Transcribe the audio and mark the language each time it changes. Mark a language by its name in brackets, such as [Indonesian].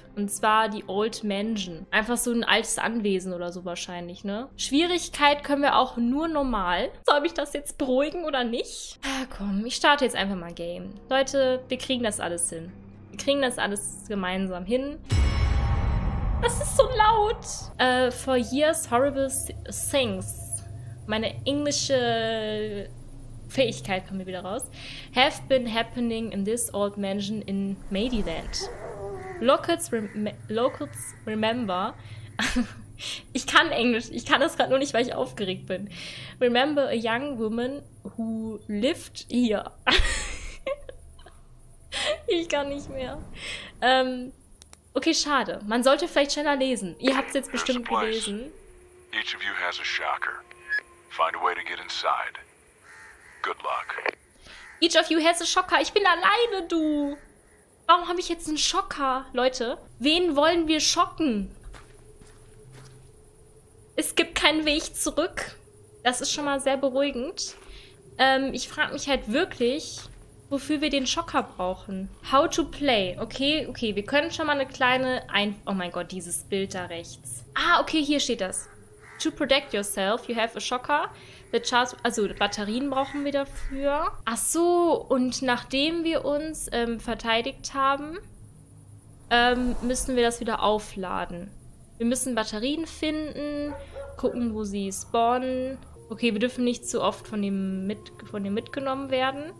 [German] Und zwar die Old Mansion. Einfach so ein altes Anwesen oder so wahrscheinlich, ne? Schwierigkeit können wir auch nur normal. Soll ich das jetzt beruhigen oder nicht? Ah, komm, ich starte jetzt einfach mal Game. Leute, wir kriegen das alles hin. Wir kriegen das alles gemeinsam hin. Das ist so laut. [English] For years, horrible things. [German] Meine englische Fähigkeit kommt mir wieder raus. [English] Have been happening in this old mansion in Maryland. Locals remember. [German] Ich kann Englisch. Ich kann das gerade nur nicht, weil ich aufgeregt bin. [English] Remember a young woman who lived here. [German] Ich kann nicht mehr. Okay, schade. Man sollte vielleicht schneller lesen. Ihr habt es jetzt bestimmt gelesen. [English] Each of you has a shocker. Find a way to get inside. Good luck. Each of you has a shocker. [German] Ich bin alleine, du. Warum habe ich jetzt einen Schocker, Leute? Wen wollen wir schocken? Es gibt keinen Weg zurück. Das ist schon mal sehr beruhigend. Ich frage mich halt wirklich, wofür wir den Schocker brauchen. [English] How to play. [German] Okay, wir können schon mal eine kleine Oh mein Gott, dieses Bild da rechts. Ah, okay, hier steht das. [English] To protect yourself, you have a shocker. The charge, [German] also Batterien brauchen wir dafür. Ach so, und nachdem wir uns verteidigt haben, müssen wir das wieder aufladen. Wir müssen Batterien finden, gucken, wo sie spawnen. Okay, wir dürfen nicht zu oft von dem mitgenommen werden.